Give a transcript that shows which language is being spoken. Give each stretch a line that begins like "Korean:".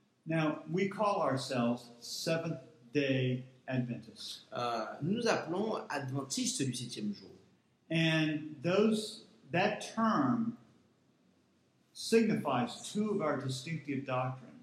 English: Now, we call ourselves Seventh-day Adventists.
French: Nous appelons Adventistes du septième jour.
English: And that term signifies two of our distinctive doctrines.